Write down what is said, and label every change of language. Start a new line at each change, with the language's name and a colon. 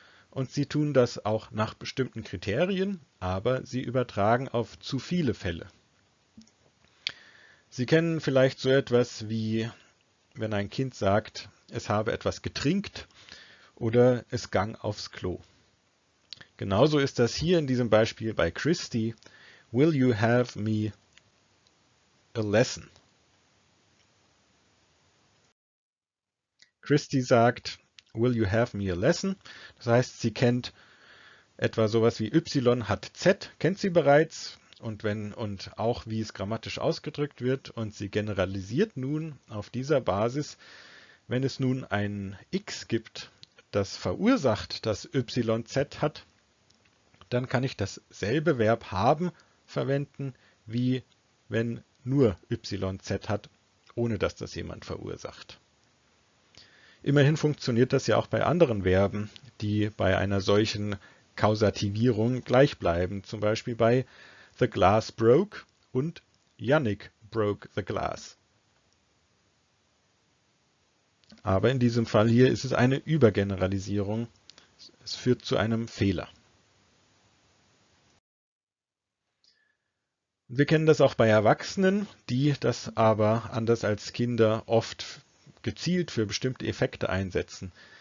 German: Und sie tun das auch nach bestimmten Kriterien, aber sie übertragen auf zu viele Fälle. Sie kennen vielleicht so etwas wie, wenn ein Kind sagt, es habe etwas getrinkt oder es gang aufs Klo. Genauso ist das hier in diesem Beispiel bei Christy.
English: Will you have me a lesson? Christy sagt, will you have me a lesson?
German: Das heißt, sie kennt etwa sowas wie Y hat Z, kennt sie bereits und auch wie es grammatisch ausgedrückt wird. Und sie generalisiert nun auf dieser Basis, wenn es nun ein X gibt, das verursacht, dass Y Z hat, dann kann ich dasselbe Verb haben verwenden, wie wenn nur Y Z hat, ohne dass das jemand verursacht. Immerhin funktioniert das ja auch bei anderen Verben, die bei einer solchen Kausativierung gleich bleiben. Zum Beispiel bei
English: the glass broke und Yannick broke the glass.
German: Aber in diesem Fall hier ist es eine Übergeneralisierung. Es führt zu einem Fehler. Wir kennen das auch bei Erwachsenen, die das aber anders als Kinder oft gezielt für bestimmte Effekte einsetzen.